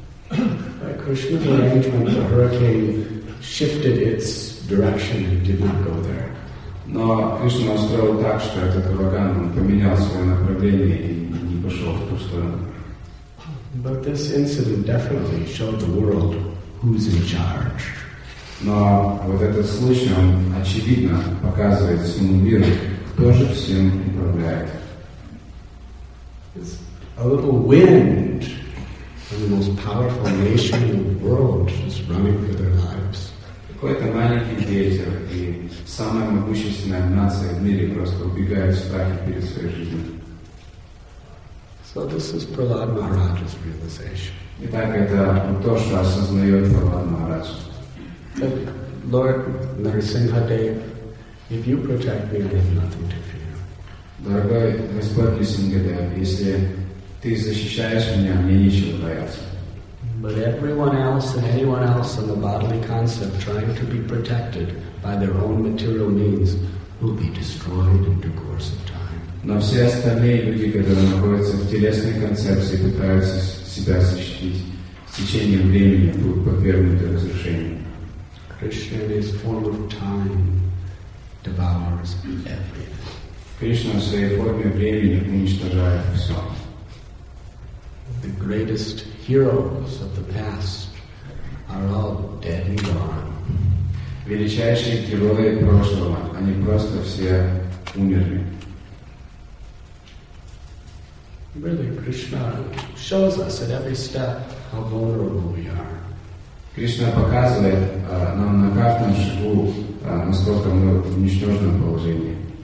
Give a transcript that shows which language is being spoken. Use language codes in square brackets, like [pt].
[en] By Krishna's arrangement, the hurricane shifted its direction and did not go there. [ru] Но Кришна устроил так, что этот ураган поменял свое направление и не пошел в ту сторону. [en] But this incident definitely showed the world who's in charge. [ru] Но вот этот случай, он очевидно показывает всему миру, кто же всем управляет. [en] It's a little wind. And the most powerful nation in the world is running for their lives. [ru] Какой-то маленький ветер, и самая могущественная нация в мире просто убегает в страхе перед своей жизнью. [en] So this is Prahlad Maharaj's realization. [ru] Итак, это то, что осознает Прахлад Махарадж. [en] That Lord Нарсингхадев, if you protect me, I have nothing to fear. [ru] Дорогой Господь Нарсингхадев, если ты защищаешь меня, мне нечего бояться. [en] But everyone else and anyone else in the bodily concept trying to be protected by their own material means will be destroyed in the course of time. [ru] Но все остальные люди, которые находятся в телесной концепции, пытаются себя защитить, с течением времени будут подвергнуты разрушению. [en] Krishna's form of time devours everything. [ru] Кришна в своей форме времени уничтожает все. [en] The greatest heroes of the past are all dead and gone. [ru] Величайшие герои прошлого, они просто все умерли. [en] Really, Krishna shows us at every step how vulnerable we are. [ru] Кришна показывает нам на каждом шагу, насколько мы в ничтожном положении.